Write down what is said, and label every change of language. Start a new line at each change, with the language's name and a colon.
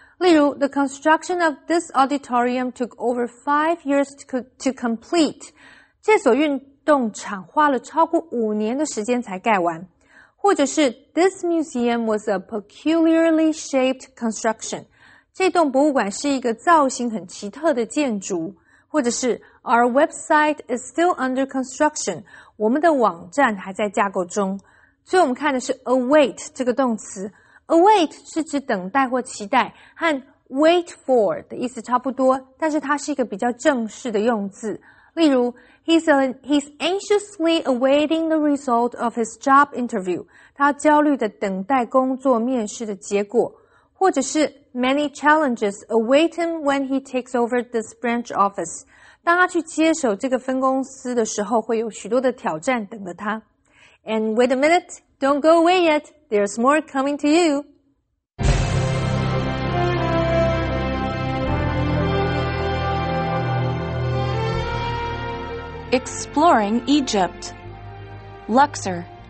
Chinese: 例如
English: ,the construction of this auditorium took over 5 years to complete.
Chinese: 这所运动场花了超过5年的时间才盖完。或者是
English: ,this museum was a peculiarly shaped construction.
Chinese: 这栋博物馆是一个造型很奇特的建筑。或者是
English: ,our website is still under construction.
Chinese: 我们的网站还在架构中。所以我们看的是 await 这个动词。await 是指等待或期待，和
English: wait for
Chinese: 的意思差不多，但是它是一个比较正式的用字。例如
English: ,he's anxiously awaiting the result of his job interview.
Chinese: 他焦虑地等待工作面试的结果。或者是
English: ,many challenges await him when he takes over this branch office.
Chinese: 当他去接手这个分公司的时候，会有许多的挑战等着他。
English: And wait a minute, don't go away yet, there's more coming to you. Exploring Egypt. Luxor.